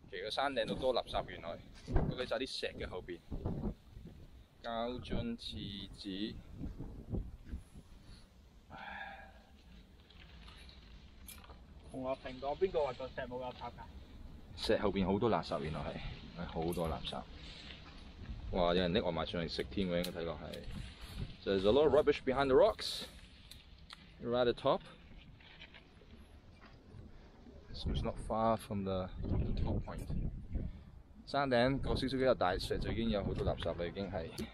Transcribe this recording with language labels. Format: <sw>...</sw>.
<yue>山顶度多垃圾，原来佢就喺啲石嘅后边，胶樽、厕纸，同阿平讲，边个话个石冇垃圾噶？石后边好多垃圾，原来系，好多垃圾。哇！有人拎外卖上嚟食添，我应该睇落系。</yue> <en>So there's a lot of rubbish behind the rocks, right at the top. So it's not far from the top point.</en> <yue>山頂過少少幾個大石就已經有好多垃圾啦，已經係。</yue>